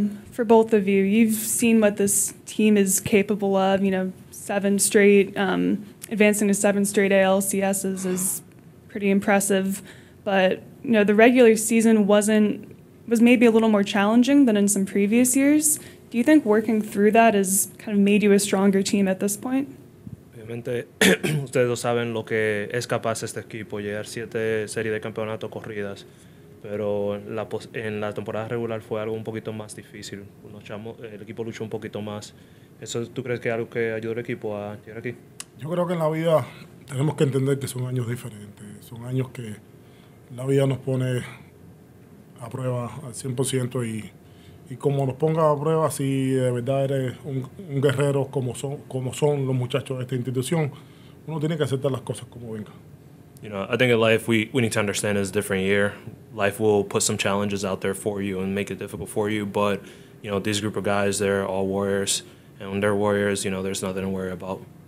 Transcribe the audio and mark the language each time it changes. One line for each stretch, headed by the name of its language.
English: For both of you, you've seen what this team is capable of, you know, advancing to seven straight ALCSs is pretty impressive. But, you know, the regular season was maybe a little more challenging than in some previous years. Do you think working through that has kind of made you a stronger team at this point?
Spanish: Obviamente, ustedes lo saben lo que es capaz este equipo, llegar siete series de campeonatos corridas. Pero en la temporada regular fue algo un poquito más difícil. El equipo luchó un poquito más. ¿Eso tú crees que es algo que ayudó al equipo a llegar aquí? Yo creo que en la vida tenemos que entender que son años diferentes. Son años que la vida nos pone a prueba al 100% y como nos ponga a prueba, si de verdad eres un guerrero como son los muchachos de esta institución, uno tiene que aceptar las cosas como vengan.
English: You know, I think in life we need to understand it's a different year. Life will put some challenges out there for you and make it difficult for you, but, you know, this group of guys, they're all warriors, and when they're warriors, you know, there's nothing to worry about.